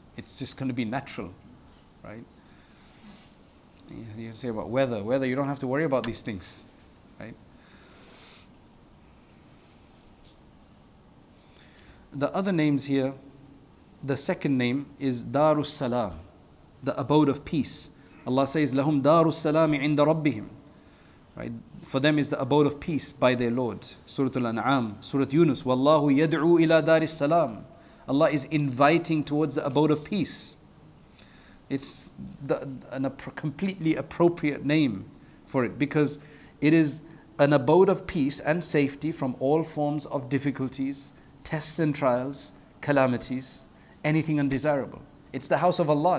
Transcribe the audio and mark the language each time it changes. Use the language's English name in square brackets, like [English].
[English] It's just going to be natural, right? You say about weather, you don't have to worry about these things, right? The other names here, the second name is Darus Salam, the abode of peace. Allah says, [Arabic] لَهُمْ دَارُ السَّلَامِ عِنْدَ رَبِّهِمْ. [English] Right. For them is the abode of peace by their Lord. Surah Al-An'am, Surah Yunus. [Arabic] Wallahu yad'u ila daris salam. [English] Allah is inviting towards the abode of peace. It's completely appropriate name for it, because it is an abode of peace and safety from all forms of difficulties, tests and trials, calamities, anything undesirable. It's the house of Allah.